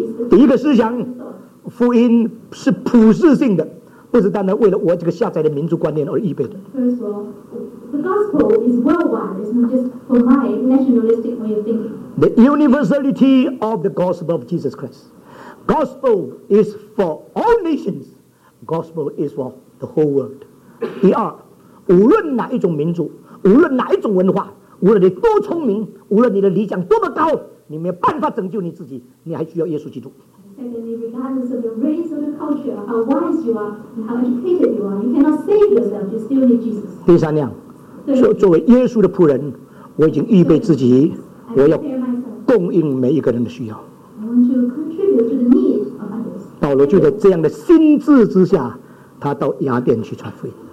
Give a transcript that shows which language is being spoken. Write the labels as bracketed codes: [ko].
[zh] 第一个思想，福音是普世性的，不是单单为了我这个下载的民族观念而预备的。 [en] First of all, the gospel is worldwide, it's not just for my nationalistic way of thinking. The universality of the gospel of Jesus Christ. Gospel is for all nations. Gospel is for the whole world. [zh] 第二，无论哪一种民族，无论哪一种文化，无论你多聪明，无论你的理想多么高，你没有办法拯救你自己，你还需要耶稣基督。 [en] Secondly, regardless of your race or your culture, how wise you are, how educated you are, you cannot save yourself. You still need Jesus. [zh] 第三样，作为耶稣的仆人，我已经预备自己，我要供应每一个人的需要。 [en] I want to contribute to the need of others. [zh] 保罗就在这样的心智之下，他到雅典去传福音。